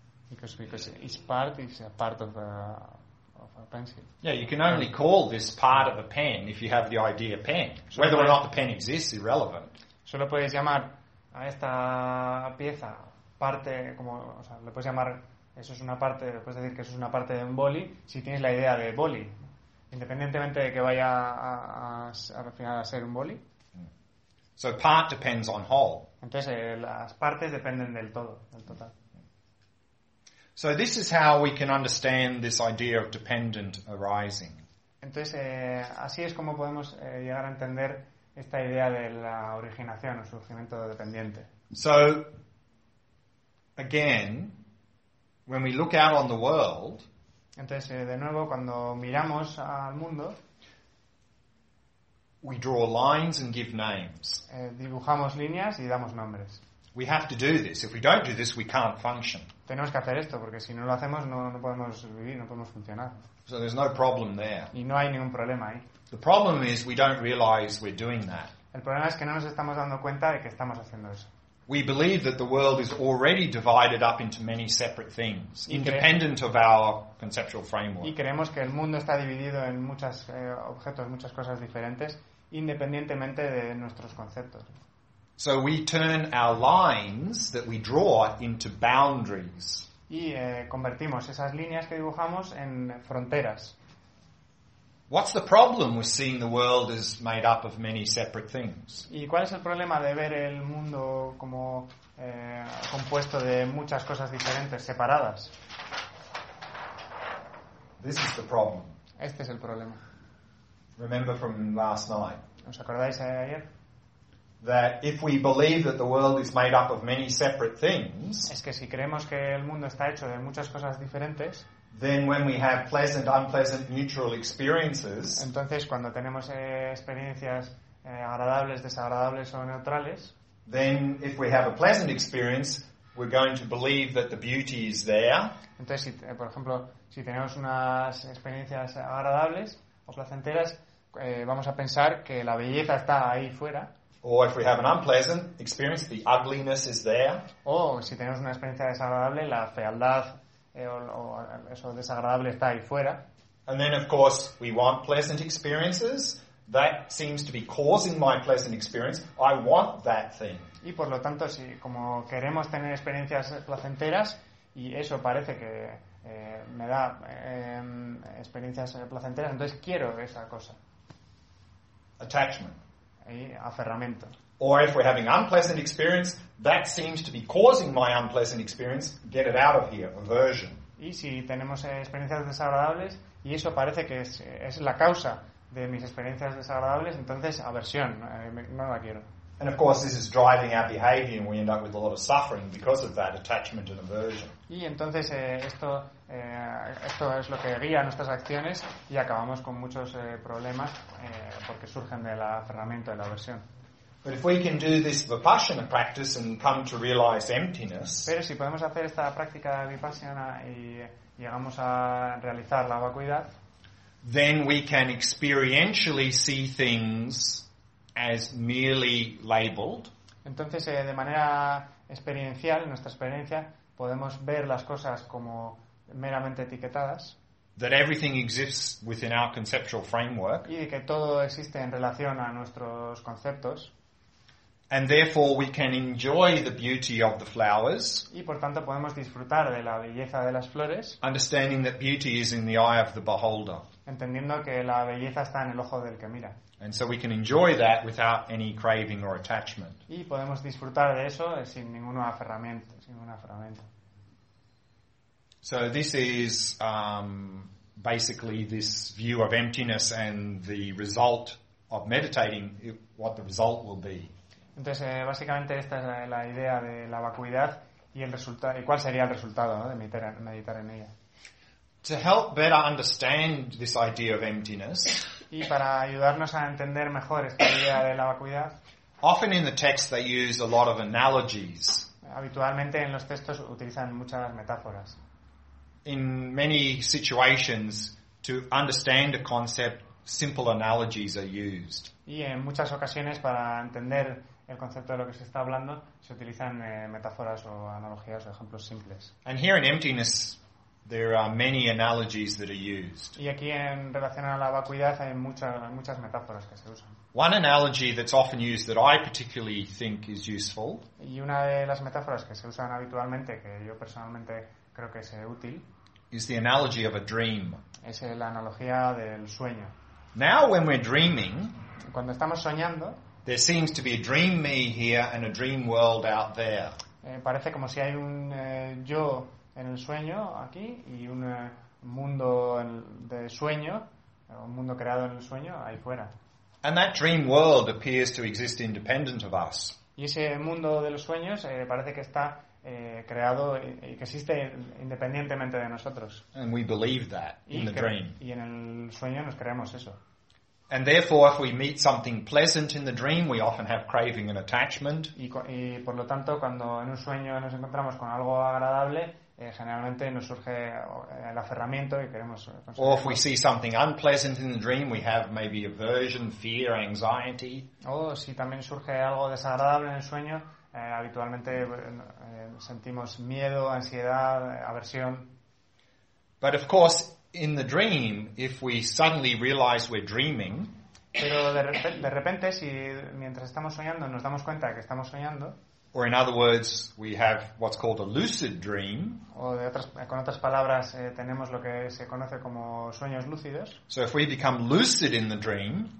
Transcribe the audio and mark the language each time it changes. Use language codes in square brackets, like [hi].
[en] Because each part is a part of a pencil. Yeah, you can only call this part of a pen if you have the idea pen. Whether or not the pen exists is irrelevant. [es] Solo puedes llamar a esta pieza parte, como, o sea, le puedes llamar eso es una parte, puedes decir que eso es una parte de un boli si tienes la idea de boli, independientemente de que vaya al final a ser un boli. [en] So part depends on whole. [es] Entonces las partes dependen del todo, del total. [en] So this is how we can understand this idea of dependent arising. [es] Entonces, así es como podemos llegar a entender esta idea de la originación o surgimiento dependiente. [en] So, again, when we look out on the world, [es] entonces, de nuevo, cuando miramos al mundo, [en] we draw lines and give names. [es] Dibujamos líneas y damos nombres. [en] We have to do this. If we don't do this, we can't function. [es] Tenemos que hacer esto porque si no lo hacemos no podemos vivir, no podemos funcionar. [en] So there's no problem there. [es] Y no hay ningún problema ahí. [en] The problem is we don't realize we're doing that. [es] El problema es que no nos estamos dando cuenta de que estamos haciendo eso. [en] We believe that the world is already divided up into many separate things, independent of our conceptual framework. [es] Y creemos que el mundo está dividido en muchos objetos, muchas cosas diferentes, independientemente de nuestros conceptos. [en] So we turn our lines that we draw into boundaries. [es] Y convertimos esas líneas que dibujamos en fronteras. [en] What's the problem with seeing the world as made up of many separate things? [es] ¿Y cuál es el problema de ver el mundo como compuesto de muchas cosas diferentes, separadas? [en] This is the problem. [es] Este es el problema. [en] Remember from last night. [es] ¿Os acordáis de ayer? [en] That if we believe that the world is made up of many separate things, [es] es que si creemos que el mundo está hecho de muchas cosas diferentes, [en] then when we have pleasant, unpleasant, neutral experiences, [es] entonces cuando tenemos experiencias agradables, desagradables o neutrales, [en] then if we have a pleasant experience, we're going to believe that the beauty is there. [es] Entonces, si, por ejemplo, si tenemos unas experiencias agradables o placenteras, vamos a pensar que la belleza está ahí fuera. [en] Or if we have an unpleasant experience, the ugliness is there. [es] Oh, si tenemos una experiencia desagradable, la fealdad o eso desagradable está ahí fuera. [en] And then, of course, we want pleasant experiences. That seems to be causing my pleasant experience. I want that thing. [es] Y por lo tanto, si como queremos tener experiencias placenteras y eso parece que me da experiencias placenteras, entonces quiero esa cosa. [en] Attachment. [es] Y aferramiento. [en] Or if we're having unpleasant experience, that seems to be causing my unpleasant experience. Get it out of here. Aversion. [es] Y si tenemos experiencias desagradables y eso parece que es la causa de mis experiencias desagradables, entonces aversión, no la quiero. [en] And of course, this is driving our behavior, and we end up with a lot of suffering because of that attachment and aversion. [es] Y entonces esto es lo que guía nuestras acciones y acabamos con muchos problemas porque surgen del aferramiento, de la aversión. [en] But if we can do this vipassana practice and come to realize emptiness. [es] Pero si podemos hacer esta práctica vipassana y llegamos a realizar la vacuidad, [en] then we can experientially see things as merely labeled. [es] Entonces, de manera experiencial, en nuestra experiencia, podemos ver las cosas como meramente etiquetadas. [en] That everything exists within our conceptual framework. [es] Y que todo existe en relación a nuestros conceptos. [en] And therefore we can enjoy the beauty of the flowers. [es] Y por tanto podemos disfrutar de la belleza de las flores. [en] Understanding that beauty is in the eye of the beholder. [es] Entendiendo que la belleza está en el ojo del que mira. [en] And so we can enjoy that without any craving or attachment. [es] Y podemos disfrutar de eso sin ningún aferramiento, sin ninguna aferramiento. [en] So this is basically this view of emptiness and the result of meditating what the result will be. [es] Entonces, básicamente esta es la idea de la vacuidad y el resultado, y cuál sería el resultado, ¿no?, de meditar en ella. [en] To help better understand this idea of emptiness. [es] Y para ayudarnos a entender mejor esta idea de la vacuidad. [en] Often in the text they use a lot of analogies. [es] Habitualmente en los textos utilizan muchas metáforas. [en] In many situations, to understand a concept, simple analogies are used. [es] Y en muchas ocasiones para entender el concepto de lo que se está hablando se utilizan metáforas o analogías o ejemplos simples. [en] And here in emptiness, there are many analogies that are used. [es] Y aquí en relación a la vacuidad hay muchas metáforas que se usan. [en] One analogy that's often used that I particularly think is useful. [es] Y una de las metáforas que se usan habitualmente que yo personalmente creo que es útil. [en] Is the analogy of a dream. [es] Es la analogía del sueño. [en] Now when we're dreaming, [es] cuando estamos soñando, [en] there seems to be a dream me here and a dream world out there. [es] Parece como si hay un yo en el sueño aquí y un mundo de sueño, un mundo creado en el sueño ahí fuera. [en] And that dream world appears to exist independent of us. [es] Y ese mundo de los sueños parece que está creado y que existe independientemente de nosotros. [en] And we believe that in the dream. [es] Y en el sueño nos creemos eso. [en] And therefore, if we meet something pleasant in the dream, we often have craving and attachment. [es] Y por lo tanto, cuando en un sueño nos encontramos con algo agradable, generalmente nos surge el aferramiento y queremos. [en] Or if we see something unpleasant in the dream, we have maybe aversion, fear, anxiety. [es] O si también surge algo desagradable en el sueño, habitualmente sentimos miedo, ansiedad, aversión. [en] But of course, in the dream, if we suddenly realize we're dreaming, [es] pero de repente, si mientras estamos soñando nos damos cuenta que estamos soñando, [en] or in other words, we have what's called a lucid dream, [es] o de otras, con otras palabras, tenemos lo que se conoce como sueños lúcidos. [en] So if we become lucid in the dream,